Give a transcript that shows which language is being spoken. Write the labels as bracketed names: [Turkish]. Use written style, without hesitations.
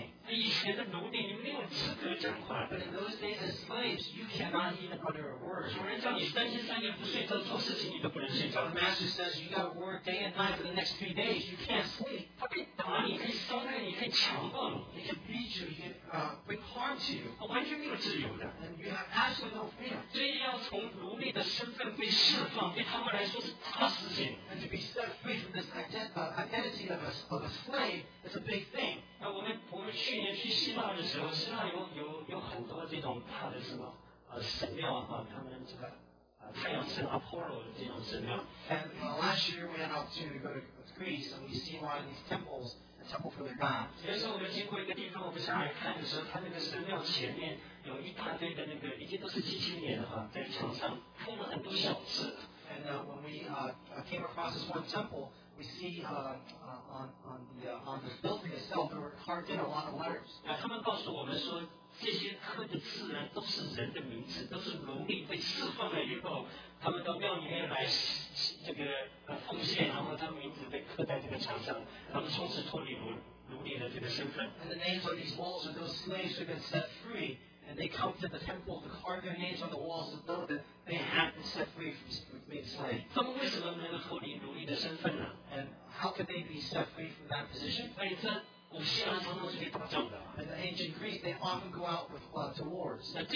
[Chinese] 以前的奴隶，你没有资格讲话。 [English] But in those days as slaves, you cannot even utter a word. [Chinese] 主人叫你三天三夜不睡觉做事情，你都不能睡觉。 [English] The master says you got to work day and night for the next 3 days. You can't sleep. [Chinese] 他可以打你，可以伤害你，可以强暴你。 [English] He can beat you. He can bring harm to you. [Chinese] 完全没有自由的。 [English] And you have absolutely no freedom. [Chinese] 所以要从奴隶的身份被释放，对他们来说是大事情。 [English] And to be set free from this identity of a slave is a big thing. [Chinese] 我们去年去希腊的时候，希腊有很多这种大的什么神庙啊，他们这个太阳神 Apollo 的这种神庙。 [English] And last year we had an opportunity to go to Greece, and we see a lot of these temples, a temple for the gods. [Chinese] 有时候我们经过一个地方，我们下来看的时候，他那个神庙前面有一大堆的那个，已经都是几千年了哈，在墙上铺了很多小字。 [English] And when we came across this one temple. We see on the building itself, there were carved in a lot of letters. [Chinese] 他们告诉我们说，这些刻的字呢，都是人的名字，都是奴隶被释放了以后，他们到庙里面来这个奉献，然后他们名字被刻在这个墙上，他们从此脱离奴隶的这个身份。 [English] And the names on these walls are those slaves who've been set free, and they come to the temple to carve their names on the walls to know that they have been set free from being slaves. [Chinese] 他们为什么能够脱离奴隶的身份呢？ [English] And how could they be set free from that position? And the ancient Greeks, they often go out with, to wars.